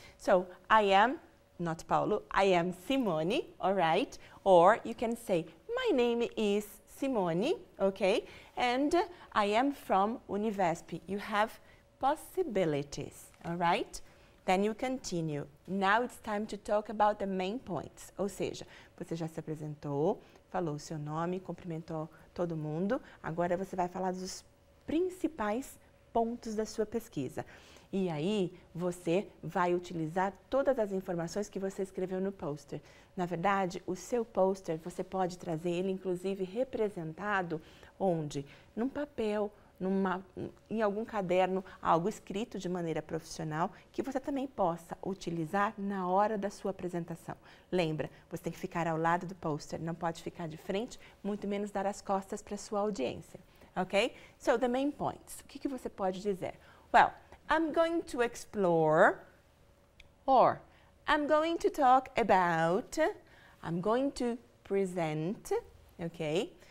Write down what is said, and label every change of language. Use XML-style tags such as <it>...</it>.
<en>So, I am, not Paulo, I am Simone, alright? Or you can say, my name is Simone, ok? And I am from Univesp. You have possibilities, alright? Then you continue. Now it's time to talk about the main points.</en> <pt>Ou seja, você já se apresentou, falou o seu nome, cumprimentou todo mundo. Agora você vai falar dos principais pontos da sua pesquisa. E aí, você vai utilizar todas as informações que você escreveu no poster. Na verdade, o seu poster, você pode trazer ele, inclusive, representado onde? Num papel, em algum caderno, algo escrito de maneira profissional, que você também possa utilizar na hora da sua apresentação. Lembra, você tem que ficar ao lado do poster, não pode ficar de frente, muito menos dar as costas para a sua audiência. Ok?</pt> <en>So, the main points.</en> <pt>O que que você pode dizer?</pt> <en>Well, I'm going to explore, or I'm going to talk about, I'm going to present, okay?</en>